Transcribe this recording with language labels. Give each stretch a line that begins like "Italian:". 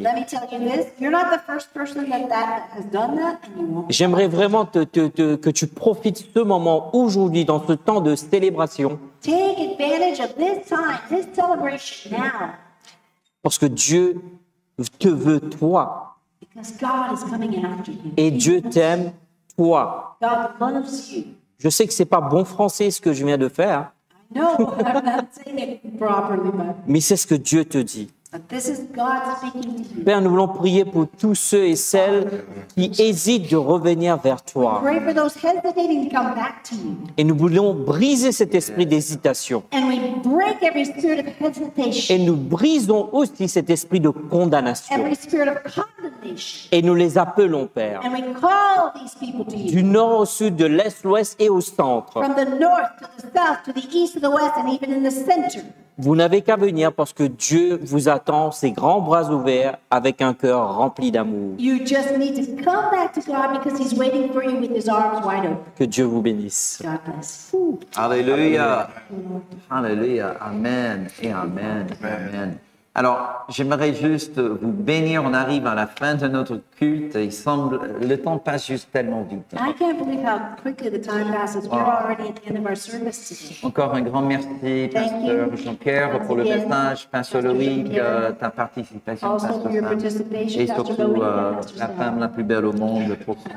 English: Let me tell you this, you're not the first person that has done that anymore.
French: J'aimerais vraiment que tu profites ce moment aujourd'hui dans ce temps de célébration.
English: Take advantage of this time, this celebration now.
French: Parce que Dieu te veut toi.
English: Because God is coming after you.
French: Et Dieu t'aime toi.
English: God loves you.
French: Je sais que ce n'est pas bon français ce que je viens de faire.
English: No, I'm not saying it properly, but...
French: Mais c'est ce que Dieu te dit.
English: But this is God speaking to you.
French: Père, nous voulons prier pour tous ceux et celles qui hésitent de revenir vers toi.
English: We pray for those hesitating to come back to you.
French: Et nous voulons briser cet esprit d'hésitation.
English: And we break every spirit of hesitation.
French: Et nous brisons aussi cet esprit de condamnation.
English: Every spirit of condemnation.
French: Et nous les appelons, Père.
English: And we call these people to you.
French: Du nord au sud, de l'est, l'ouest et au centre.
English: From the north to the south, to the east, to the west, and even in the center.
French: Vous n'avez qu'à venir parce que Dieu vous attend ses grands bras ouverts avec un cœur rempli d'amour.
English: You just need to come back to God because he's waiting for you with his arms wide open.
French: Que Dieu vous bénisse. Alléluia. Alléluia. Amen et amen. Amen. Alors, j'aimerais juste vous bénir. On arrive à la fin de notre culte. Il semble le temps passe juste tellement vite.
English: I can't believe how quickly the time passes. Wow. We're already at the end of our service today.
French: Encore un grand merci, Pasteur Jean-Pierre, pour le message, Pasteur Loïc, ta participation, Pasteur Sam, et surtout la femme la plus belle au monde pour son